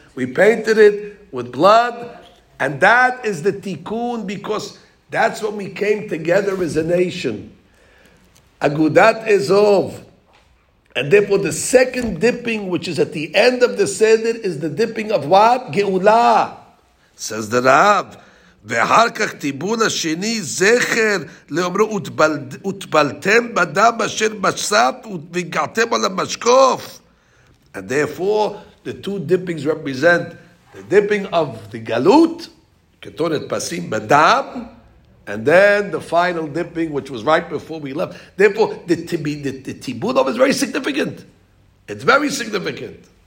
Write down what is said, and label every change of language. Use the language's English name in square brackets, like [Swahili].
[English] We painted it with blood. And that is the tikkun, because that's when we came together as a nation. Agudat Ezov. And therefore, the second dipping, which is at the end of the Seder, is the dipping of what? Geulah. Says the Rav. [Hebrew] ואחר כך טיבול השני זכר לאומרו ותבלתם בדם אשר בסף וגעתם על המשקוף. [English] And therefore, the two dippings represent the dipping of the galut, ketonet pasim בדם, and then the final dipping, which was right before we left. Therefore, the tibul of is very significant. It's very significant.